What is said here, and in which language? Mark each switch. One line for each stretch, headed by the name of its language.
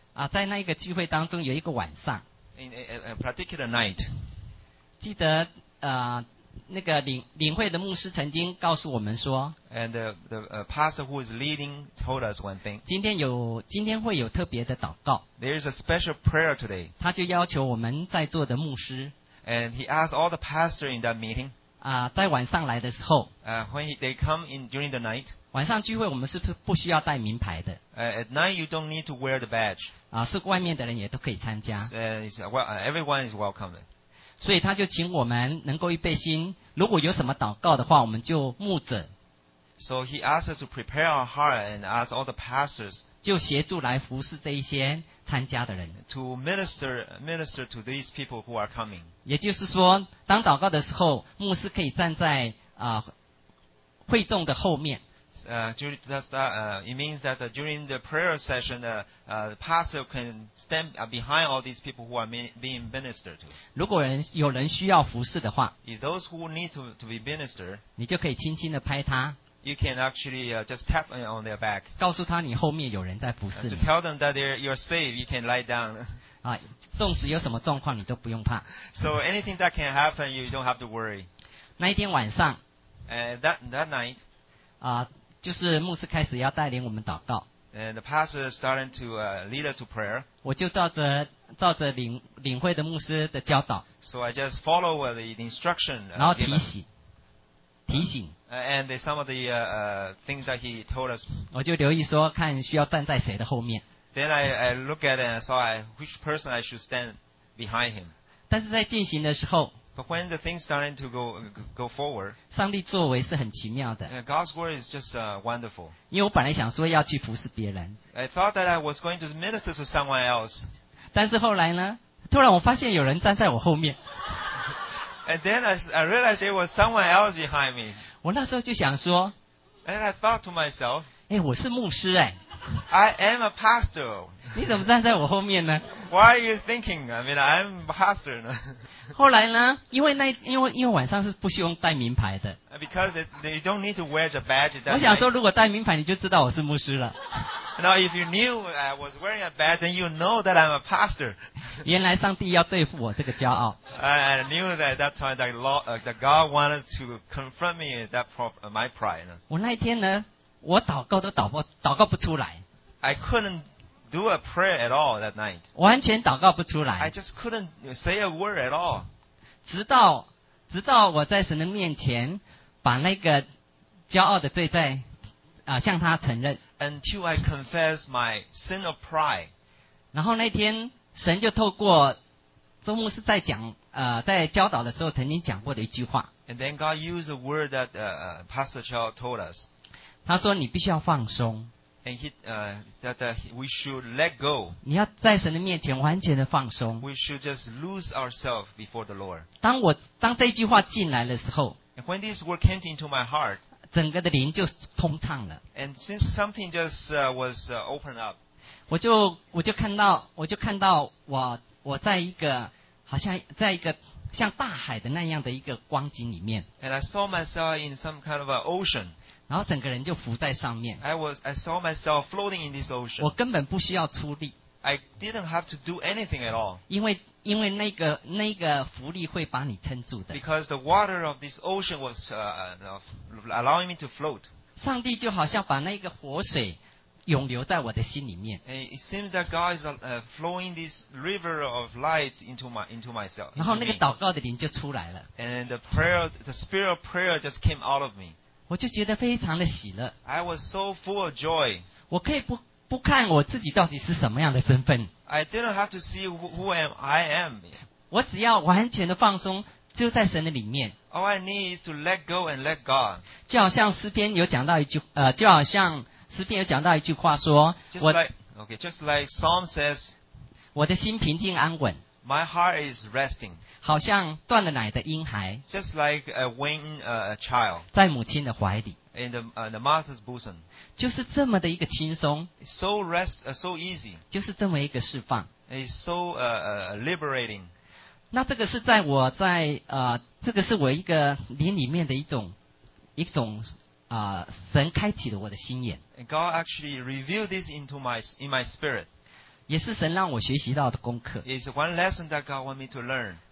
Chinese: 在那个聚会当中有一个晚上
English: in a particular night
Chinese: 记得那个领会的牧师曾经告诉我们说
English: and the pastor who is leading told us one thing
Chinese: 今天会有特别的祷告
English: there is a special prayer today
Chinese: 他就要求我们在座的牧师
English: and he asked all the pastors in that meeting
Chinese: 在晚上来的时候
English: when they come in during the night
Chinese: 晚上聚会我们是不需要带名牌的。
English: At night you don't need to wear the badge.
Chinese: 是外面的人也都可以参加。
English: Everyone is welcome.
Chinese: 所以他就请我们能够预备心，如果有什么祷告的话，我们就牧者。
English: So he asked us to prepare our heart and ask all the pastors.
Chinese: 就协助来服侍这一些参加的人。
English: To minister to these people who are coming.
Chinese: 也就是说，当祷告的时候，牧师可以站在会众的后面。
English: It means that during the prayer session, the pastor can stand behind all these people who are being ministered to.
Chinese: 如果有人需要服侍的话
English: ，if those who need to be ministered,
Chinese: 你就可以轻轻的拍他
English: ，you can actually just tap on their back,
Chinese: 告诉他你后面有人在服侍你
English: ，to tell them that you're safe, you can lie down.
Chinese: 纵使有什么状况，你都不用怕。
English: So anything that can happen, you don't have to worry.
Chinese: 那一天晚上
English: ，that night,
Chinese: 就是牧师开始要带领我们祷告
English: and the pastor is starting to lead us to prayer
Chinese: 我就照着领会的牧师的教导
English: so I just follow the instruction
Chinese: 然后提醒提醒。
English: And some of the things that he told us.
Chinese: 我就留意说，看需要站在谁的后面。
English: Then I look at it and saw which person I should stand behind him.
Chinese: 但是在进行的时候。
English: But when the things starting to go forward.
Chinese: 上帝作为是很奇妙的。
English: God's word is just wonderful.
Chinese: 因为我本来想说要去服侍别人。
English: I thought that I was going to minister to someone else.
Chinese: 但是后来呢？突然我发现有人站在我后面。
English: And then I realized there was someone else behind me.
Chinese: 我那时候就想说。
English: And I thought to myself.
Chinese: 哎，我是牧师哎。
English: I am a pastor.
Chinese: 你怎么站在我后面呢？
English: Why are you thinking? I mean, I'm a pastor.
Chinese: 后来呢？因为晚上是不需要带名牌的。
English: Because you don't need to wear a badge.
Chinese: 我想说，如果带名牌，你就知道我是牧师了。
English: Now, if you knew I was wearing a badge, then you know that I'm a pastor.
Chinese: 原来上帝要对付我这个骄傲。
English: I knew that at that time that God wanted to confront me that my pride.
Chinese: 我那一天呢，我祷告都祷告不出来。
English: I couldn't do a prayer at all that night.
Chinese: 完全祷告不出来。
English: I just couldn't say a word at all.
Chinese: 直到我在神的面前把那个骄傲的罪在向他承认。
English: Until I confess my sin of pride.
Chinese: 然后那天神就透过周牧师在讲在教导的时候曾经讲过的一句话。
English: And then God used a word that Pastor Chow told us.
Chinese: 他说你必须要放松。
English: And we should let go.
Chinese: 你要在神的面前完全的放松。
English: We should just lose ourselves before the Lord.
Chinese: 当这句话进来的时候。
English: And when this word came into my heart.
Chinese: 整个的灵就通畅了。
English: And since something just was opened up.
Chinese: 我就看到我在一个好像在一个像大海的那样的一个光景里面。
English: And I saw myself in some kind of an ocean.
Chinese: 然后整个人就浮在上面。
English: I saw myself floating in this ocean.
Chinese: 我根本不需要出力。
English: I didn't have to do anything at all.
Chinese: 因为那个浮力会把你撑住的。
English: Because the water of this ocean was allowing me to float.
Chinese: 上帝就好像把那个活水涌流在我的心里面。
English: And it seems that God is flowing this river of light into myself.
Chinese: 然后那个祷告的灵就出来了。
English: And the spirit of prayer just came out of me.
Chinese: 我就觉得非常的喜乐。
English: I was so full of joy.
Chinese: 我可以不看我自己到底是什么样的身份。
English: I didn't have to see who I am.
Chinese: 我只要完全的放松，就在神的里面。
English: All I need is to let go and let God.
Chinese: 就好像诗篇有讲到一句，就好像诗篇有讲到一句话说，
English: just like Psalm says,
Chinese: 我的心平静安稳。
English: My heart is resting.
Chinese: 好像断了奶的婴孩。
English: Just like a weaned child.
Chinese: 在母亲的怀里。
English: In the mother's bosom.
Chinese: 就是这么的一个轻松。
English: So rest, so easy.
Chinese: 就是这么一个释放。
English: It's so liberating.
Chinese: 那这个是在我在这个是我一个灵里面的一种神开启了我的心眼。
English: God actually revealed this in my spirit.
Chinese: 也是神让我学习到的功课。
English: It's one lesson that God want me to learn.